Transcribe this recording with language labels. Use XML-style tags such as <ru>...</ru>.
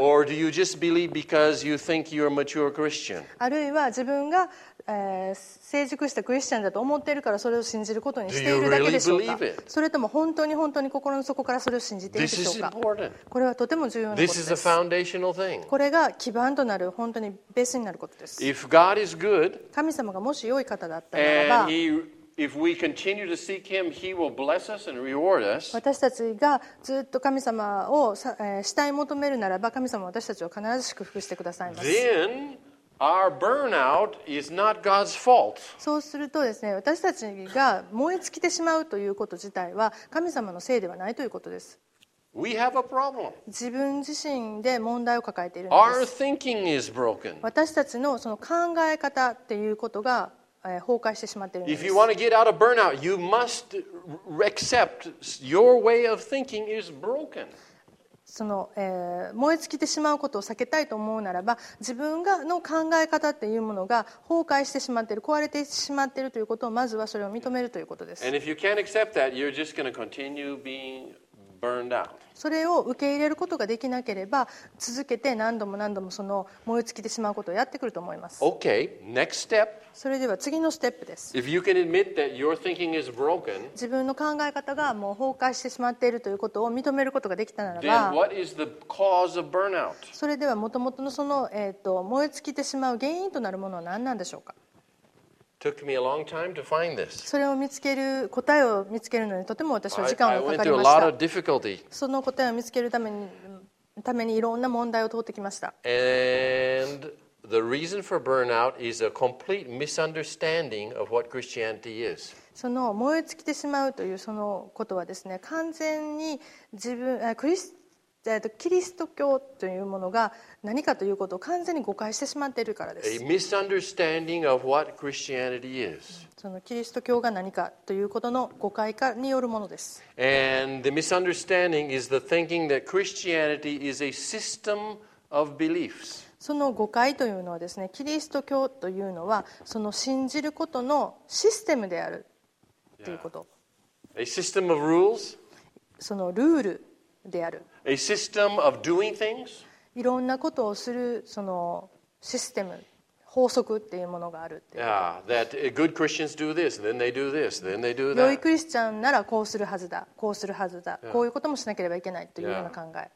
<en>Or do you just believe because you think you're a mature Christian?</en> <ja>あるいは自分が、成熟したクリスチャンだと思っているからそれを信じることにしているだけでしょうか？</ja> <en>Do you really believe it?</en> <ja>それとも本当に本当に心の底からそれを信じているでしょうか？</ja> <en>This is important.</en> <ja>これはとても重要なことです。</ja> <en>This is a foundational thing.</en> <ja>これが基盤となる本当にベースになることです。</ja> <en>If God is good,</en> <ja>神様がもし良い方だったならば、</ja> <en>If we continue to seek Him, He will bless us and reward us.</en> <ja>私たちがずっと神様を慕い求めるならば、神様は私たちを必ず祝福してくださいます。</ja> <en>Then our burnout is not God's fault.</en> <ja>そうするとですね、私たちが燃え尽きてしまうということ自体は神様のせいではないということです。</ja> <en>We have a problem.</en> <ja>自分自身で問題を抱えているんです</ja> <en>。 Our thinking is broken.</en> <ja>私たちのその考え方っていうことが崩壊してしまっているんです。</ja> <en>If you want to get out of burnout, you must accept your way of thinking is broken.</en> <ja>その、燃え尽きてしまうことを避けたいと思うならば、自分がの考え方っていうものが崩壊してしまっている、壊れてしまっているということをまずはそれを認めるということです。</ja> <en>And if you can't accept that, you're just going to continue being burned out.</en> <ja>それを受け入れることができなければ続けて何度も何度もその燃え尽きてしまうことをやってくると思います。</ja> <en>Okay, next step.</en> <ja>それでは次のステップです。</ja> <en>If you can admit that your thinking is broken,</en> <ja>自分の考え方がもう崩壊してしまっているということを認めることができたならば、</ja> <en>then what is the cause of burnout?</en> <ja>それではもともとのその、燃え尽きてしまう原因となるものは何なんでしょうか。</ja> <en>Took me a long time to find this.</en> <ja>それを見つける答えを見つけるのにとても私は時間がかかりました。</ja> <en>I went through a lot of difficulty.</en> <ja>その答えを見つけるためにいろんな問題を通ってきました。</ja> <en>And the reason for burnout is a complete misunderstanding of what Christianity is.</en> <ja>その燃え尽きてしまうというそのことはですね、完全に自分クリスキリスト教というものが何かということを完全に誤解してしまっているからです。</ja> <en>A misunderstanding of what Christianity is.</en> <ja>そのキリスト教が何かということの誤解化によるものです。</ja> <en>And the misunderstanding is the thinking that Christianity is a system of beliefs.</en> <ja>その誤解というのはですね、キリスト教というのはその信じることのシステムであるということ。</ja> <en>Yeah. A system of rules.</en> <ja>そのルールである。</ja> <en>A system of doing things.</en> <ja>いろんなことをするそのシステム、法則っていうものがあるっていう。</ja> <en>Yeah, that good Christians do this, then they do this, then they do that.</en> <ja>良いクリスチャンならこうするはずだ、こうするはずだ、yeah. こういうこともしなければいけないというような考え。</ja>